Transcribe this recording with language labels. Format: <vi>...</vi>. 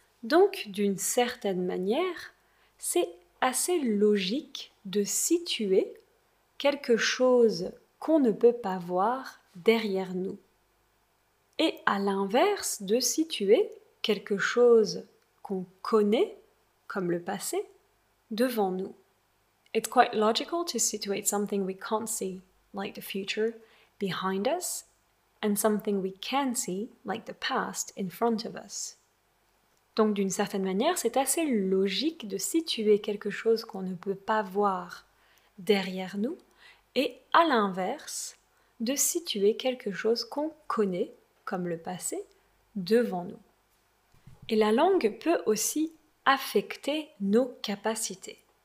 <fr>Donc, d'une certaine manière, c'est assez logique de situer quelque chose qu'on ne peut pas voir derrière nous. Et à l'inverse, de situer quelque chose qu'on connaît, comme le passé, devant nous.</fr> <en>It's quite logical to situate something we can't see, like the future, behind us, and something we can see, like the past, in front of us.</en> <fr>Donc d'une certaine manière, c'est assez logique de situer quelque chose qu'on ne peut pas voir derrière nous, et à l'inverse, de situer quelque chose qu'on connaît, comme le passé, devant nous. Et la langue peut aussi affecter nos capacités.</fr>